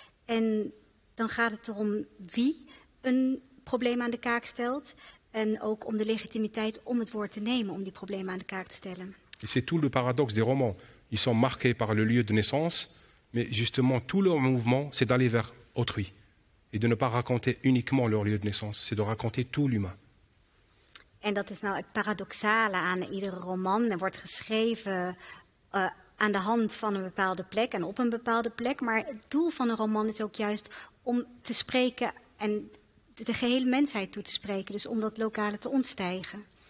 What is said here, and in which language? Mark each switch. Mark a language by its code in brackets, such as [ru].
[nl] En dan gaat het erom wie een probleem aan de kaak stelt, en ook om de legitimiteit om het woord te nemen, om die problemen aan de kaak te stellen. [fr] C'est tout le paradoxe des romans. Ils sont marqués par le lieu de naissance, mais justement tout leur mouvement, c'est d'aller vers autrui. Et de ne pas raconter uniquement leur lieu de naissance, c'est de raconter tout l'humain. [nl] En dat is nou het paradoxale aan iedere roman. Er wordt geschreven aan de hand van een bepaalde plek en op een bepaalde plek. Maar het doel van een roman is ook juist om te spreken en de gehele mensheid toe te spreken. Dus om dat lokale te ontstijgen.